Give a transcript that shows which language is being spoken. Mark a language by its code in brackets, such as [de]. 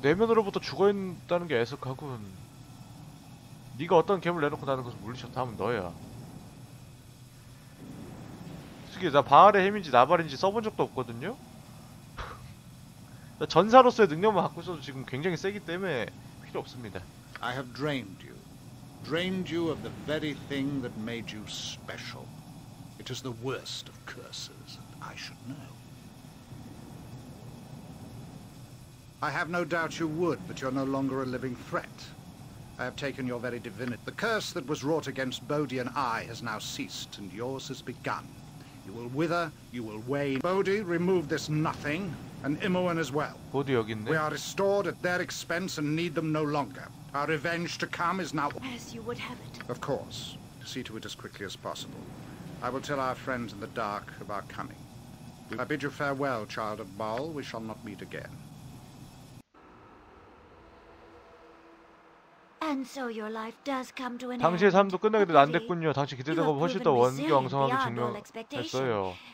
[ko] 내면으로부터 죽어 있다는 게 애석하군. 네가 어떤 괴물 내놓고 나는 그것을 물리쳤다 하면 너야. 솔직히 나 바알의 힘인지 나발인지 써본 적도 없거든요? 전사로서의 능력만 갖고 있어도 지금 굉장히 세기 때문에 필요 없습니다. [en] I have drained you. Drained you of the very thing that made you special. It is the worst of curses, and I should know. I have no doubt you would, but you're no longer a living threat. I have taken your very divinity. The curse that was wrought against Bodhi and I has now ceased, and yours has begun. You will wither, you will wane. Bodhi, remove this nothing, and Imowen as well. [ko] Bodhi 여기 있네. [en] We are restored at their expense and need them no longer. Our revenge to come is now... As you would have it. Of course. See to it as quickly as possible. I will tell our friends in the dark of our coming. I bid you farewell, child of Baal. We shall not meet again. And so your life does come to an end. [ko] 당신의 삶도 끝나기도 안 됐군요. 당신 기대된 것보다 훨씬 더 원기 왕성하게 증명했어요.